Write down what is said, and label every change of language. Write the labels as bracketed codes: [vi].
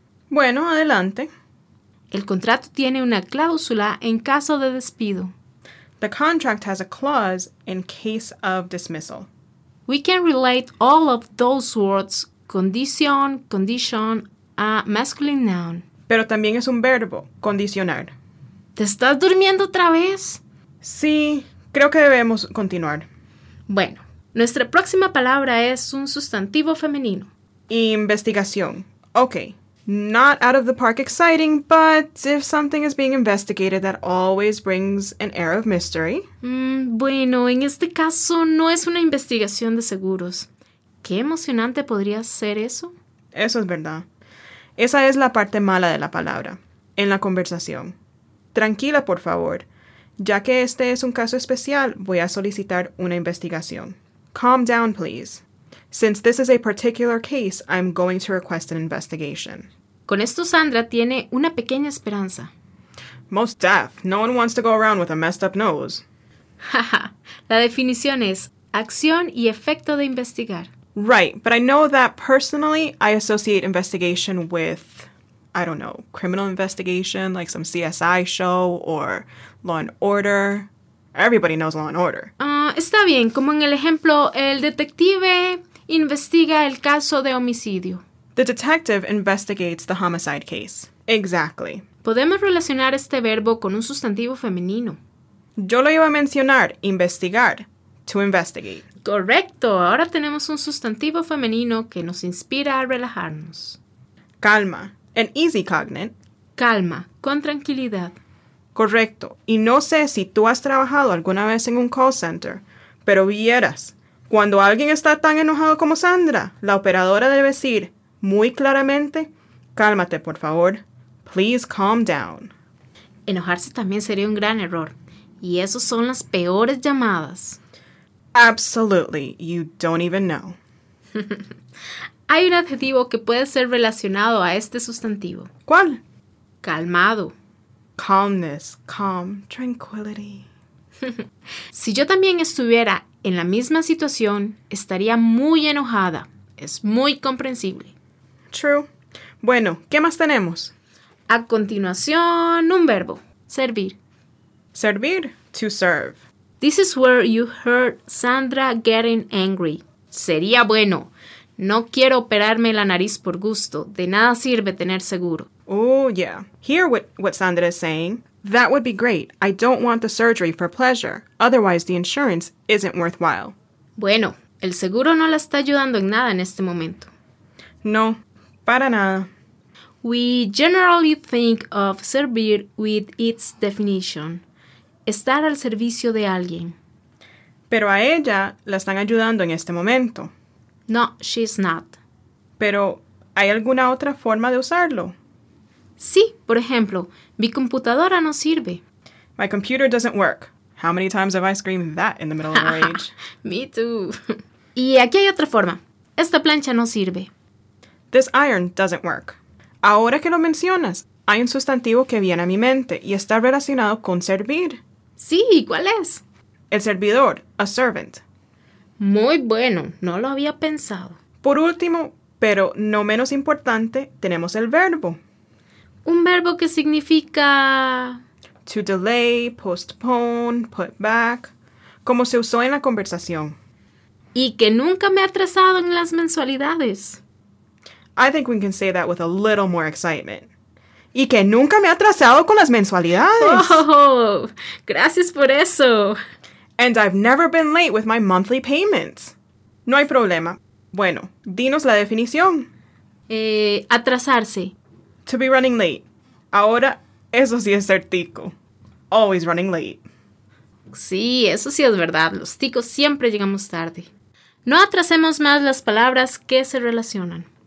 [es] Bueno, adelante. El contrato tiene una cláusula en caso de despido. [en] The contract has a clause in case of dismissal. We can relate all of those words, condición, a masculine noun. [es] Pero también es un verbo, condicionar. ¿Te estás durmiendo otra vez? Sí, creo que debemos continuar. Bueno, nuestra próxima palabra es un sustantivo femenino. Investigación. Okay. [en] Not out of the park exciting, but if something is being investigated, that always brings an air of mystery. [es] Bueno, en este caso no es una investigación de seguros. ¿Qué emocionante podría ser eso? Eso es verdad. Esa es la parte mala de la palabra, en la conversación. Tranquila, por favor. Ya que este es un caso especial, voy a solicitar una investigación. Calm down, please. Since this is a particular case, I'm going to request an investigation. Con esto Sandra tiene una pequeña esperanza. [en] Most deaf. No one wants to go around with a messed up nose. [es] La definición es acción y efecto de investigar. [en] Right, but I know that personally I associate investigation with, I don't know, criminal investigation, like some CSI show or Law and Order. Everybody knows Law and Order. [es] Está bien, como en el ejemplo, el detective investiga el caso de homicidio. [en] The detective investigates the homicide case. Exactly. [es] Podemos relacionar este verbo con un sustantivo femenino. Yo lo iba a mencionar, investigar, to investigate. Correcto, ahora tenemos un sustantivo femenino que nos inspira a relajarnos. [en] Calma, an easy cognate. [es] Calma, con tranquilidad. Correcto. Y no sé si tú has trabajado alguna vez en un call center, pero vieras, cuando alguien está tan enojado como Sandra, la operadora debe decir muy claramente, cálmate, por favor. [en] Please calm down. [es] Enojarse también sería un gran error. Y esas son las peores llamadas. [en] Absolutely. You don't even know. [es] Hay un adjetivo que puede ser relacionado a este sustantivo. ¿Cuál? Calmado. [en] calmness, calm, tranquility. [es] Si yo también estuviera en la misma situación, estaría muy enojada. Es muy comprensible. True. Bueno, ¿qué más tenemos? A continuación, un verbo. Servir. [en] Servir, to serve. This is where you heard Sandra getting angry. [es] Sería bueno. No quiero operarme la nariz por gusto. De nada sirve tener seguro. [en] Oh, yeah. Hear what Sandra is saying. That would be great. I don't want the surgery for pleasure. Otherwise, the insurance isn't worthwhile. [es] Bueno, el seguro no la está ayudando en nada en este momento. No, para nada. [en] We generally think of servir with its definition. [es] Estar al servicio de alguien. Pero a ella la están ayudando en este momento. [en] No, she's not. [es] Pero, ¿hay alguna otra forma de usarlo? Sí, por ejemplo, mi computadora no sirve. [en] My computer doesn't work. How many times have I screamed that in the middle of a rage? Me too. [es] Y aquí hay otra forma. Esta plancha no sirve. [en] This iron doesn't work. [es] Ahora que lo mencionas, hay un sustantivo que viene a mi mente y está relacionado con servir. Sí, ¿cuál es? El servidor, a servant. Muy bueno, no lo había pensado. Por último, pero no menos importante, tenemos el verbo. Un verbo que significa... [en] To delay, postpone, put back, [es] como se usó en la conversación. Y que nunca me ha atrasado en las mensualidades. [en] I think we can say that with a little more excitement. [es] Y que nunca me ha atrasado con las mensualidades. Oh, gracias por eso. [en] And I've never been late with my monthly payments. [es] No hay problema. Bueno, dinos la definición. Atrasarse. [en] To be running late. [es] Ahora, eso sí es ser tico. [en] Always running late. [es] Sí, eso sí es verdad. Los ticos siempre llegamos tarde. No atrasemos más las palabras que se relacionan.